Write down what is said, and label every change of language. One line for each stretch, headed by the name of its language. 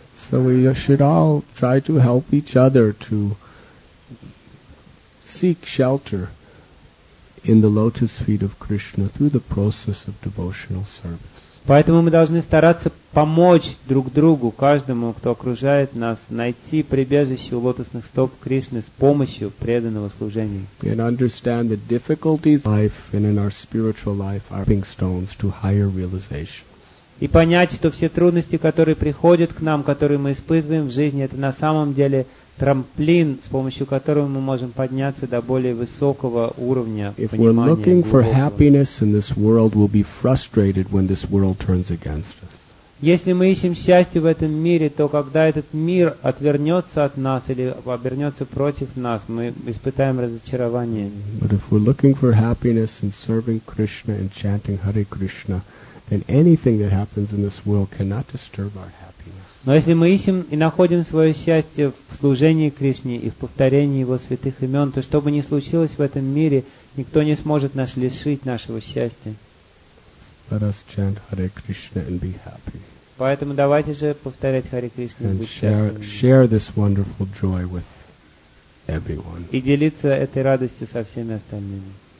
English: So we should all try to help each other to seek shelter in the lotus feet of Krishna through the process of devotional service.
Russian: Поэтому мы должны стараться помочь друг другу, каждому, кто окружает нас, найти прибежище у лотосных стоп Кришны с помощью преданного служения.
English: And understand the difficulties in life and in our spiritual life are stepping stones to higher realizations.
Russian: И понять, что все трудности, которые приходят к нам, которые мы испытываем в жизни, это на самом деле трамплин, с помощью которого мы можем подняться до более высокого уровня понимания.
English: If we're looking for happiness in this world, we'll be frustrated when this world turns against us.
Russian: Если мы ищем счастье в этом мире, то когда этот мир отвернется от нас или обернется против нас, мы испытаем разочарование.
English: But if we're looking for happiness in serving Krishna and chanting Hare Krishna, then anything that happens in this world cannot disturb our happiness.
Russian: Но если мы ищем и находим свое счастье в служении Кришне и в повторении Его святых имен, то что бы ни случилось в этом мире, никто не сможет нас лишить нашего счастья.
English: Let us chant Hare Krishna and be happy.
Russian: Поэтому давайте же повторять Hare Krishna
English: and
Russian: быть
English: share this wonderful joy with everyone.
Russian: И делиться этой радостью со всеми остальными.